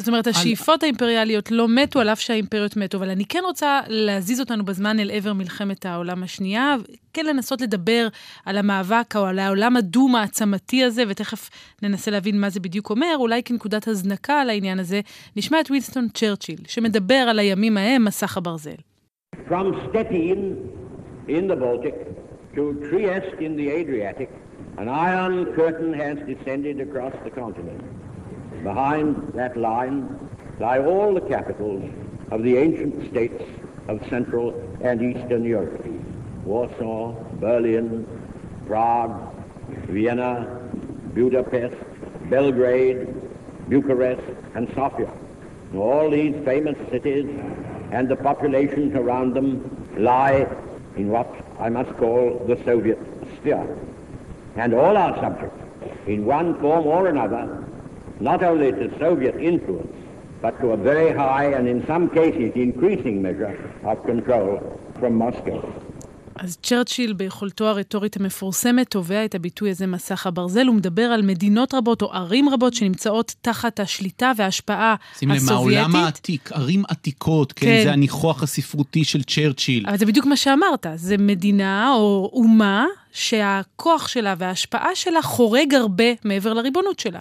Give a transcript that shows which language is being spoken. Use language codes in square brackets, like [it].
[he] זאת אומרת, השאיפות האימפריאליות לא מתו על אף שהאימפריות מתו, אבל אני כן רוצה להזיז אותנו בזמן אל עבר מלחמת העולם השנייה, כן לנסות לדבר על המאבק או על העולם הדום העצמתי הזה, ותכף ננסה להבין מה זה בדיוק אומר, אולי כנקודת הזנקה על העניין הזה, נשמע את וינסטון צ'רצ'יל, שמדבר על הימים ההם, מסך הברזל. [en] From Stettin in the Baltic to Trieste in the Adriatic, an iron curtain has descended across the continent. Behind that line lie all the capitals of the ancient states of Central and Eastern Europe. Warsaw, Berlin, Prague, Vienna, Budapest, Belgrade, Bucharest, and Sofia. All these famous cities and the populations around them lie in what I must call the Soviet sphere. And all our subjects, in one form or another, not only to Soviet influence, but to a very high and in some cases increasing measure of control from Moscow. [he] אז צ'רצ'יל ביכולתו הרטורית המפורסמת תובע את הביטוי הזה מסך הברזל, הוא מדבר על מדינות רבות או ערים רבות שנמצאות תחת השליטה וההשפעה הסובייטית. שים למה, העולם העתיק, ערים עתיקות, כן, כן. זה הניחוח הספרותי של צ'רצ'יל. אבל זה בדיוק מה שאמרת, זה מדינה או אומה שהכוח שלה וההשפעה שלה חורג הרבה מעבר לריבונות שלה.